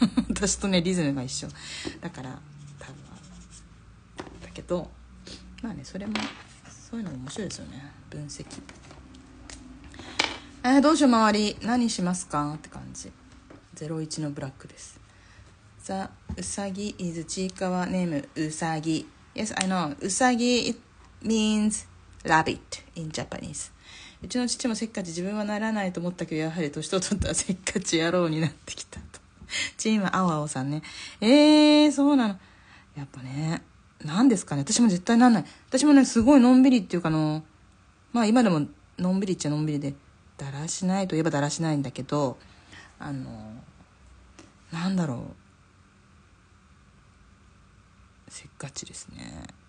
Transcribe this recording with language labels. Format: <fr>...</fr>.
<ja>私とねリズムが一緒だから多分だけど、まあね、それもそういうのも面白いですよね、分析。どうしよう、周り何しますかって感じ。01のブラックです。ザ・ウサギ is チーカワネーム。</ja> <en>ウサギ、 Yes I know、 ウサギ it means rabbit in Japanese。</en> <ja>うちの父もせっかち、自分はならないと思ったけど、やはり年を取ったらせっかち野郎になってきたと。チームアオアオさんね。そうなの、やっぱね、なんですかね、私も絶対なんない。私もね、すごいのんびりっていうか、のまあ今でものんびりっちゃのんびりで、だらしないといえばだらしないんだけど、あのなんだろう、せっかちですね。</ja>